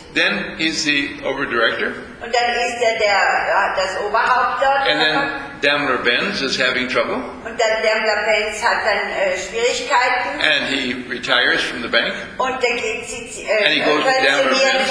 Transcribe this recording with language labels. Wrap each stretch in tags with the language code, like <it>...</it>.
<en>Then he's the over director.</en> <de>Und dann ist er das Oberhaupt dort.</de> <en>And then Daimler-Benz is having trouble.</en> <de>Und dann Daimler-Benz hat dann Schwierigkeiten.</de> <en>And he retires from the bank.</en> <de>Und dann geht sie</de> <en>and he goes to Daimler-Benz.</en>